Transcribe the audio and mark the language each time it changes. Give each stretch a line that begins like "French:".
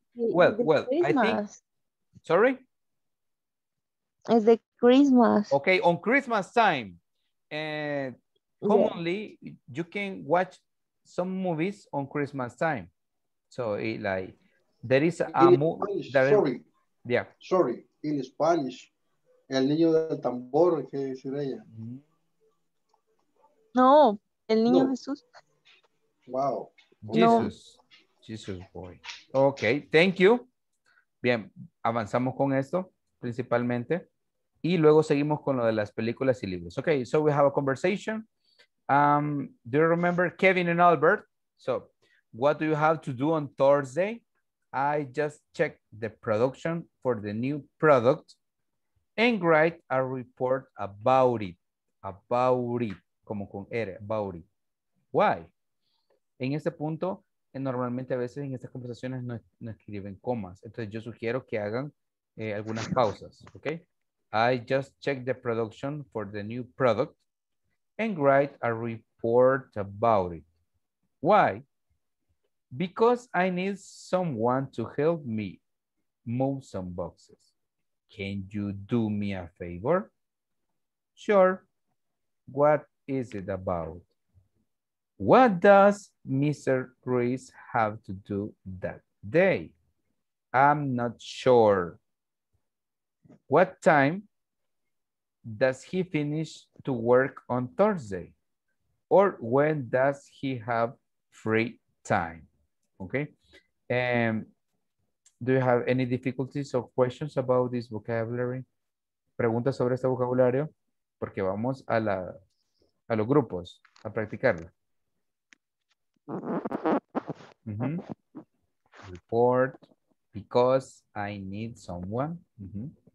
English: Well, Christmas. I think. Sorry? It's the Christmas. Okay, on Christmas time. And commonly, yeah. You can watch some movies on Christmas time. So, there is a movie. Sorry. Yeah. Sorry, in Spanish,
Spanish: El Niño del Tambor, ¿qué decir ella? No, El Niño Jesús. Wow.
English: Jesus. No. Jesus boy. Okay, thank you.
Spanish: Bien, avanzamos con esto principalmente. Y luego seguimos con lo de las películas y libros.
English: Okay, so we have a conversation. Do you remember Kevin and Albert? So, what do you have to do on Thursday? I just checked the production for the new product and write a report about it. About it,
Spanish: como con R,
English: about it. Why?
Spanish: En este punto, normalmente a veces en estas conversaciones no, no escriben comas. Entonces yo sugiero que hagan algunas pausas, ¿ok?
English: I just checked the production for the new product and write a report about it. Why? Because I need someone to help me move some boxes. Can you do me a favor? Sure. What is it about? What does Mr. Ruiz have to do that day? I'm not sure. What time does he finish to work on Thursday? Or when does he have free time? Okay. Do you have any difficulties or questions about this vocabulary?
Spanish: Preguntas sobre este vocabulario, porque vamos a la a los grupos a practicarlo.
English: Mm-hmm. Report because I need someone. Mm-hmm.